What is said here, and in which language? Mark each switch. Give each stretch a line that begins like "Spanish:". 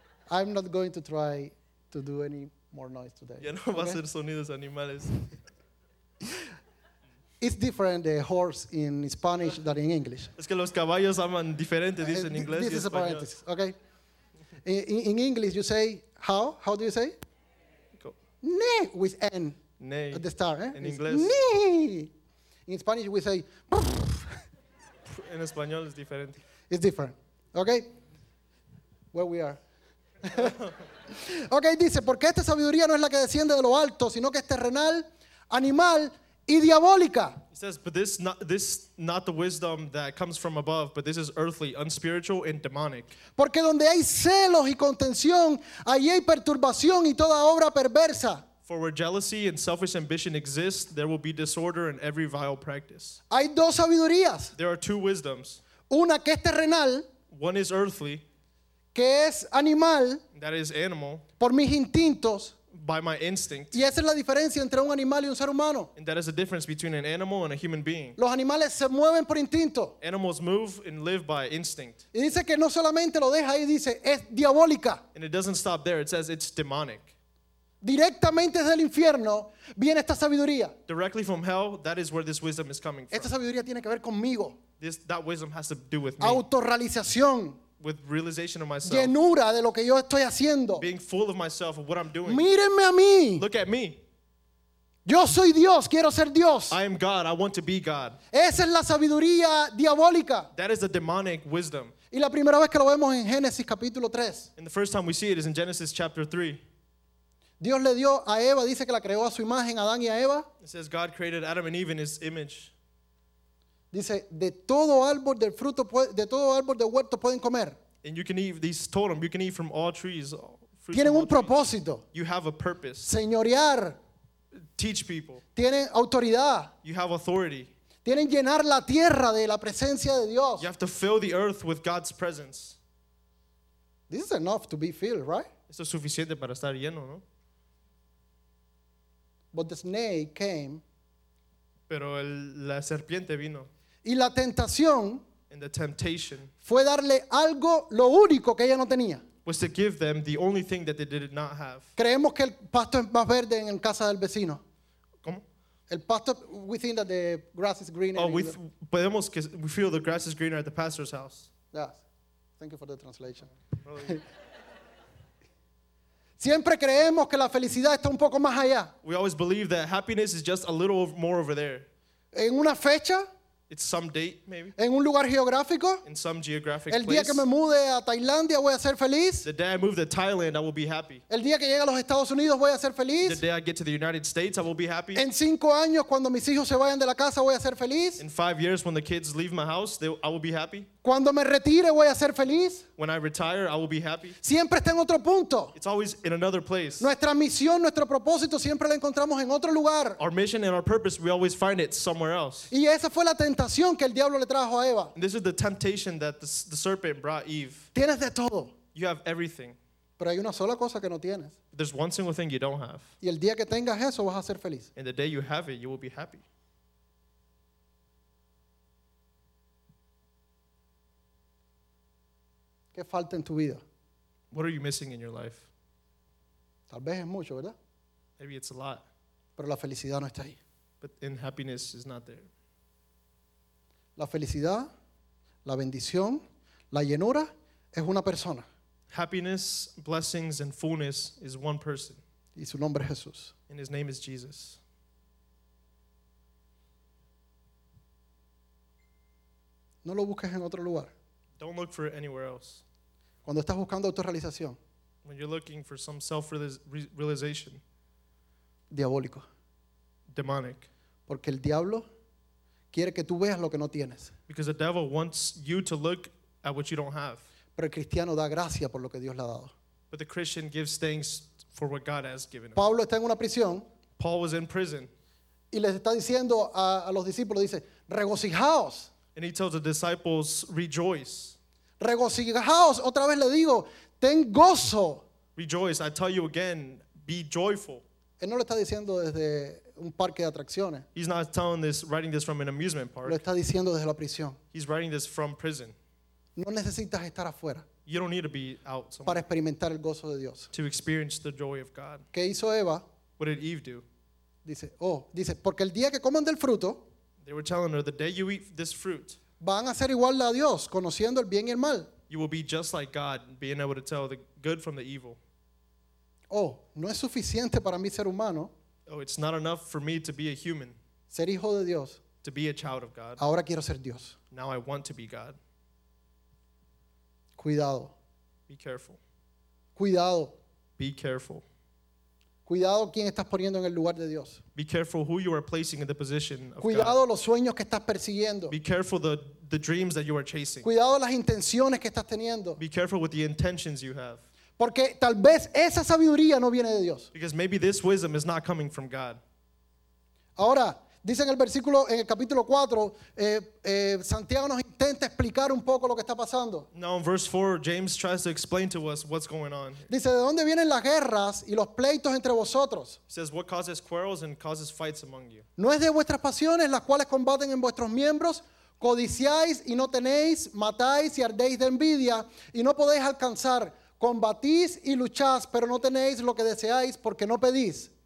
English: I'm not going to try to do any more noise today.
Spanish: Ya no va a ser sonidos animales.
English: It's different, the horse in Spanish than in English.
Spanish: Es que los caballos aman diferente, dicen en inglés y español.
English: This is a parenthesis, okay? In English, you say how? How do you say? Ne, with N. Ne. At the start, eh? In English. Ne. In Spanish, we say.
Spanish: En español es diferente.
English: It's different, okay? Where we are.
Spanish: Okay, dice, porque esta sabiduría no es la que desciende de lo alto, sino que es terrenal, animal y diabólica.
English: It says, but this not the wisdom that comes from above, but this is earthly, unspiritual and demonic.
Spanish: Porque donde hay celos y contención, allí hay perturbación y toda obra perversa.
English: For where jealousy and selfish ambition exist, there will be disorder in every vile practice.
Spanish: Hay dos sabidurías.
English: There are two wisdoms.
Spanish: Una que es terrenal.
English: One is earthly.
Spanish: Que es animal.
English: That is animal.
Spanish: Por mis instintos.
English: by my instinct.
Spanish: Y esa es la diferencia entre un animal y un ser humano.
English: And that is the difference between an animal and a human being.
Spanish: Los animales se mueven por instinto.
English: Animals move and live by instinct.
Spanish: Y dice que no solamente lo deja ahí, dice, es diabólica.
English: And it doesn't stop there, it says it's demonic.
Spanish: Directamente desde el infierno viene esta sabiduría.
English: Directly from hell, that is where this wisdom is coming from.
Spanish: Esta sabiduría tiene que ver conmigo.
English: This, that wisdom has to do with me.
Spanish: Autorrealización.
English: With realization of myself.
Spanish: Llenura de lo que yo estoy haciendo.
English: Being full of myself of what I'm doing.
Spanish: Mírenme a mí.
English: Look at me.
Spanish: Yo soy Dios, quiero ser Dios.
English: I am God, I want to be God.
Spanish: Esa es la sabiduría diabólica.
English: That is the demonic wisdom.
Spanish: Y la primera vez que lo vemos en Génesis capítulo 3.
English: And the first time we see it is in Genesis chapter 3.
Spanish: Dios le dio a Eva, dice que la creó a su imagen, Adán y a Eva.
English: It says God created Adam and Eve in his image.
Spanish: Dice, de todo árbol del fruto, de todo árbol del huerto pueden comer.
English: And you can eat, they told him, you can eat from all trees.
Spanish: Tienen un propósito.
English: You have a purpose.
Spanish: Señorear.
English: Teach people.
Spanish: Tienen autoridad.
English: You have authority.
Spanish: Tienen llenar la tierra de la presencia de Dios.
English: You have to fill the earth with God's presence. This is enough to be filled, right?
Spanish: Esto es suficiente para estar lleno, ¿no?
English: But the snake came.
Spanish: Pero la serpiente vino. Y la tentación.
English: And the temptation.
Spanish: Fue darle algo, lo único que ella no tenía.
English: Was to give them the only thing that they did not have.
Spanish: Creemos que el pasto es más verde en casa del vecino. ¿Cómo? El pasto,
English: we think that the grass is greener.
Spanish: Oh, podemos que
English: we feel the grass is greener at the pastor's house. Yes. Thank you for the translation.
Spanish: Siempre creemos que la felicidad está un poco más allá.
English: We always believe that happiness is just a little more over there.
Spanish: En una fecha.
English: It's some date, maybe.
Spanish: En un lugar geográfico.
English: In some geographic
Spanish: place. El día que me mude a Tailandia voy a ser feliz.
English: The day I move to Thailand, I will be happy.
Spanish: El día que llegue a los Estados Unidos voy a ser feliz.
English: The day I get to the United States, I will be happy.
Spanish: En 5 años, cuando mis hijos se vayan de la casa, voy a ser feliz.
English: In 5 years, when the kids leave my house, I will be happy.
Spanish: Cuando me retire, voy a ser feliz.
English: When I retire, I will be happy.
Spanish: Siempre está en otro punto.
English: It's always in another place.
Spanish: Nuestra misión, nuestro propósito, siempre lo encontramos en otro lugar.
English: Our mission and our purpose, we always find it somewhere else.
Spanish: Y esa fue la tentación que el diablo le trajo a Eva.
English: And this is the temptation that the serpent brought Eve.
Spanish: Tienes de todo.
English: You have everything.
Spanish: Pero hay una sola cosa que no tienes.
English: There's one single thing you don't have.
Spanish: Y el día que tengas eso, vas a ser feliz.
English: And the day you have it, you will be happy.
Spanish: ¿Qué falta en tu vida?
English: What are you missing in your life?
Spanish: Tal vez es mucho, ¿verdad?
English: Maybe it's a lot.
Spanish: Pero la felicidad no está ahí.
English: But and happiness is not there.
Spanish: La felicidad, la bendición, la llenura es una persona.
English: Happiness, blessings, and fullness is one person.
Spanish: Y su nombre es Jesús.
English: And his name is Jesus.
Spanish: No lo busques en otro lugar.
English: Don't look for it anywhere else.
Spanish: Cuando estás buscando autorrealización.
English: When you're looking for some self-realization.
Spanish: Diabólico.
English: Demonic.
Spanish: Porque el diablo quiere que tú veas lo que no tienes.
English: Because the devil wants you to look at what you don't have.
Spanish: Pero el cristiano da gracia por lo que Dios le ha dado.
English: But the Christian gives thanks for what God has given him.
Spanish: Pablo está en una prisión.
English: Paul was in prison.
Spanish: Y les está diciendo a los discípulos, dice, regocijaos.
English: And he tells the disciples, rejoice.
Spanish: Regocijaos, otra vez le digo, ten gozo.
English: Rejoice, I tell you again, be joyful.
Spanish: Él no lo está diciendo desde un parque de atracciones.
English: He's not telling this, writing this from an amusement park.
Spanish: Lo está diciendo desde la prisión.
English: He's writing this from prison.
Spanish: No necesitas estar afuera.
English: You don't need to be out somewhere.
Spanish: Para experimentar el gozo de Dios.
English: To experience the joy of God.
Spanish: ¿Qué hizo Eva?
English: What did Eve do?
Spanish: Dice, oh, dice, porque el día que coman del fruto.
English: They were telling her, the day you eat this fruit,
Spanish: van a ser igual a Dios, conociendo el bien y el mal.
English: You will be just like God, being able to tell the good from the evil.
Spanish: Oh, no es suficiente para mí ser humano.
English: Oh, it's not enough for me to be a human.
Spanish: Ser hijo de Dios.
English: To be a child of God.
Spanish: Ahora quiero ser Dios.
English: Now I want to be God.
Spanish: Cuidado.
English: Be careful.
Spanish: Cuidado.
English: Be careful.
Spanish: Cuidado quién estás poniendo en el lugar de Dios.
English: Be careful who you are placing in the position of
Spanish: Cuidado
English: God.
Spanish: Los sueños que estás persiguiendo.
English: Be careful the dreams that you are chasing.
Spanish: Cuidado las intenciones que estás teniendo.
English: Be careful with the intentions you have.
Spanish: Porque tal vez esa sabiduría no viene de Dios.
English: Because maybe this wisdom is not coming from God.
Spanish: Ahora, dice en el versículo, en el capítulo 4, Santiago nos intenta explicar un poco lo que está pasando.
English: Now in verse 4, James tries to explain to us what's going on.
Spanish: Dice, ¿de dónde vienen las guerras y los pleitos entre vosotros?
English: He says, what causes quarrels and causes fights among you?
Spanish: ¿No es de vuestras pasiones las cuales combaten en vuestros miembros? Codiciáis y no tenéis, matáis y ardéis de envidia y no podéis alcanzar. Combatís y lucháis, pero no tenéis lo que deseáis porque no pedís.